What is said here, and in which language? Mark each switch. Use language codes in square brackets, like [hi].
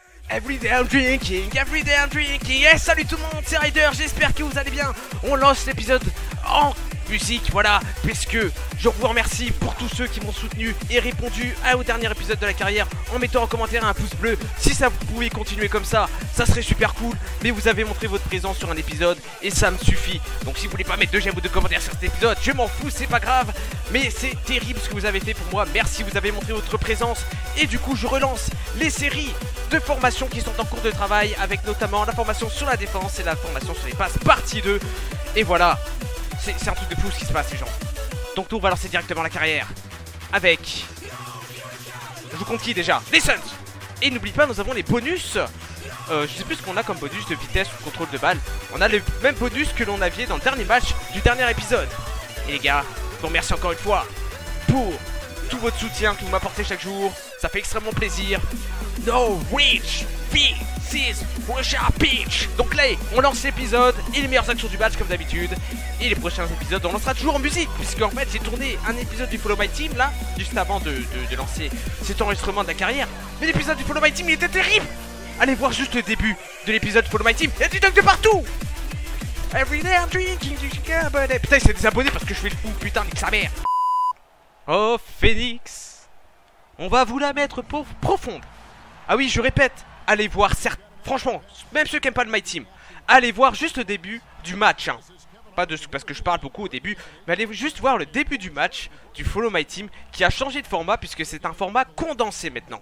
[en] Every day I'm drinking, every day I'm drinking. [fr] Et salut tout le monde, c'est Ryder, j'espère que vous allez bien. On lance l'épisode en musique, voilà, puisque je vous remercie pour tous ceux qui m'ont soutenu et répondu à au dernier épisode de la carrière en mettant en commentaire un pouce bleu. Si ça vous pouvait continuer comme ça, ça serait super cool. Mais vous avez montré votre présence sur un épisode et ça me suffit. Donc si vous voulez pas mettre de j'aime ou de commentaires sur cet épisode, je m'en fous, c'est pas grave. Mais c'est terrible ce que vous avez fait pour moi. Merci, vous avez montré votre présence. Et du coup, je relance les séries de formations qui sont en cours de travail, avec notamment la formation sur la défense et la formation sur les passes partie 2. Et voilà, c'est un truc de fou ce qui se passe, les gens. Donc tout, on va lancer directement la carrière avec... Je vous compte qui déjà? Les Suns. Et n'oublie pas, nous avons les bonus. Je sais plus ce qu'on a comme bonus de vitesse ou contrôle de balle. On a le même bonus que l'on avait dans le dernier match du dernier épisode. Et les gars, je vous remercie encore une fois pour tout votre soutien que vous m'apportez chaque jour. Ça fait extrêmement plaisir. No reach, this is Russia Peach. Donc là, on lance l'épisode et les meilleures actions du match comme d'habitude. Et les prochains épisodes, on lancera toujours en musique, puisque en fait, j'ai tourné un épisode du Follow My Team là, juste avant de lancer cet enregistrement de la carrière. Mais l'épisode du Follow My Team, il était terrible. Allez voir juste le début de l'épisode Follow My Team. Il y a du dunk de partout. [en] Every day I'm drinking, drinking. [fr] Putain, il s'est désabonné parce que je fais le fou. Putain, nique sa mère. Oh, Phoenix, on va vous la mettre profonde. Ah oui, je répète, allez voir, franchement, même ceux qui n'aiment pas le My Team, allez voir juste le début du match, hein. Pas de, parce que je parle beaucoup au début, mais allez juste voir le début du match du Follow My Team qui a changé de format puisque c'est un format condensé maintenant.